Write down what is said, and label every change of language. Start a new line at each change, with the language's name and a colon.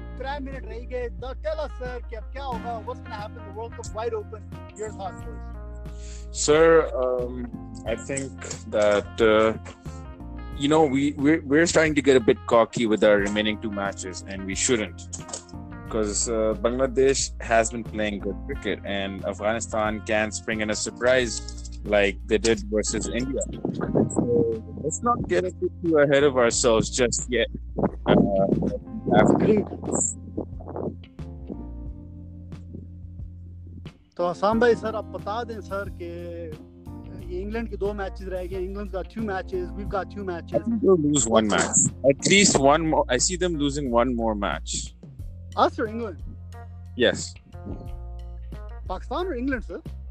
Urdu: 3 minute رہ گئے۔
English: Tell us sir،
Urdu: کہ اب کیا ہوگا؟
English: What's gonna happen? The World Cup wide open. Your thoughts, please. Sir, I think that you know, we're starting to get a bit cocky with our remaining two matches, and we shouldn't, because Bangladesh has been playing good cricket, and Afghanistan can spring in a surprise like they did versus India. So let's not get too ahead of ourselves just yet.
Urdu: تو، آسام بھائی سر، آپ بتا دیں سر کے England کے دو matches رہ گئے۔
English: England's got two matches, we've got two matches. They'll lose one match. At least one more. I see them losing one more match. Us or England? Yes. Pakistan or England, sir?